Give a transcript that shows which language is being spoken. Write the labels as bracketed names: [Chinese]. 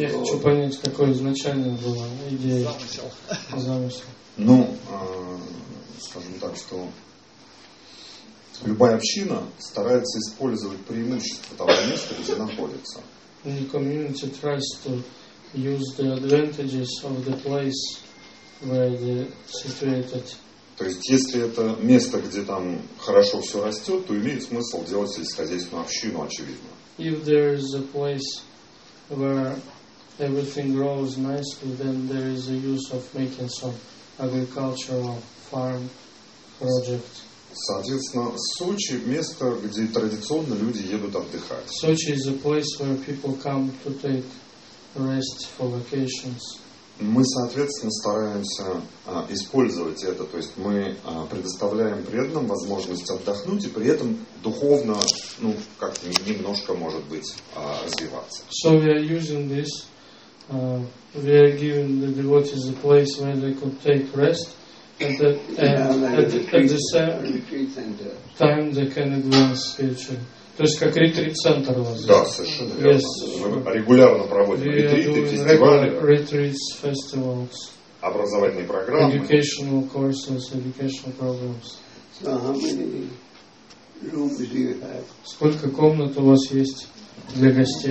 [Russian] Я хочу понять, какой изначально была идея. Замысел. Ну, скажем так, что любая община старается использовать преимущества того места, где находится. [English] The community tries to use the advantages of the place where they situated. [Russian] То есть, если это место, где там хорошо все растет, то имеет смысл делать сельскохозяйственную общину, очевидно. [English] If there is a place where everything grows nicely, then there is a use of making some agricultural farm project. [Russian] Соответственно, Сочи – место, где традиционно люди едут отдыхать. [English] Sochi is a place where people come to take rest for vacations. [Russian] Мы, соответственно, стараемся использовать это. То есть мы предоставляем преданным возможность отдохнуть и при этом духовно, ну, как немножко, может быть, развиваться. [English] So we are using this. We are giving the devotees a place where they could take rest at the same time they can advance spiritually. [Russian] То есть как ретрит-центр у вас здесь? Да, совершенно верно. [English] Yes. [Russian] Мы регулярно проводим ретриты, фестивали. [English] Retreats, festivals, [Russian] образовательные программы. [English] Educational courses, educational programs. So how many rooms do you have? [Russian] Сколько комнат у вас есть для гостей?